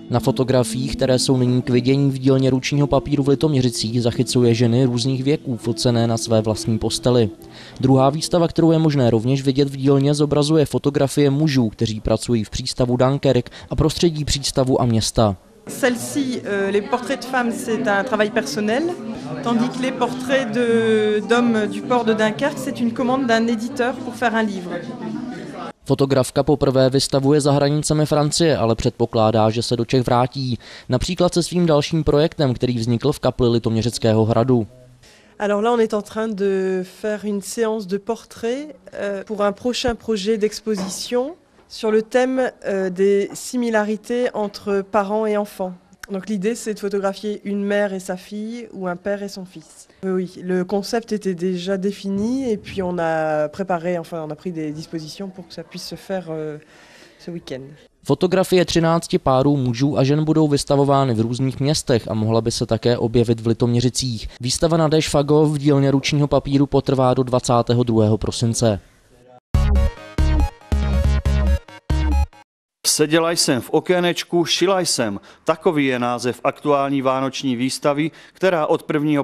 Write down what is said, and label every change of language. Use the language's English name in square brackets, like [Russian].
[Czech] Na fotografiích, které jsou nyní k vidění v dílně ručního papíru v Litoměřicích, zachycuje ženy různých věků focené na své vlastní posteli. Druhá výstava, kterou je možné rovněž vidět v dílně, zobrazuje fotografie mužů, kteří pracují v přístavu Dunkerque a prostředí přístavu a města. [French] Celle-ci, les portraits de femmes, c'est un travail personnel, tandis que les portraits d'hommes du port de Dunkerque, c'est une commande d'un éditeur pour faire un livre. [Czech] Fotografka poprvé vystavuje za hranicemi Francie, ale předpokládá, že se do Čech vrátí, například se svým dalším projektem, který vznikl v kapli Litoměřického hradu. [French] Alors là, on est en train de faire une séance de portraits pour un prochain projet d'exposition. Sur le thème des similarités entre parents et enfants. Donc l'idée c'est de photographier une mère et sa fille ou un père et son fils. Oui, le concept était déjà défini et puis on a préparé, enfin on a pris des dispositions pour que ça puisse se faire ce week-end. [Czech] Fotografie 13 párů mužů a žen budou vystavovány v různých městech a mohla by se také objevit v Litoměřicích. Výstava Nadège Fago v dílně ručního papíru potrvá do 22. prosince. Seděla jsem v okénečku, šila jsem. Takový je název aktuální vánoční výstavy, která od 1.